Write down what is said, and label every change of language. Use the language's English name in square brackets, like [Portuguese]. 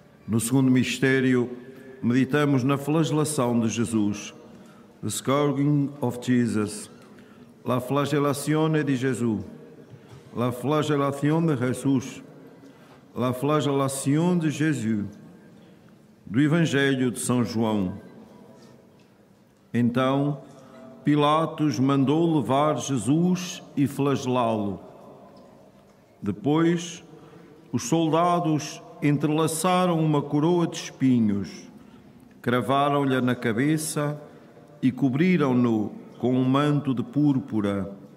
[Portuguese] no segundo mistério, meditamos na flagelação de Jesus. [English] The scourging of Jesus. [Spanish] La flagelación de Jesús. La flagelación de Jesús. La flagelación de Jesús. [Portuguese] Do Evangelho de São João. Então, Pilatos mandou levar Jesus e flagelá-lo. Depois, os soldados entrelaçaram uma coroa de espinhos, cravaram-lhe na cabeça e cobriram-no com um manto de púrpura.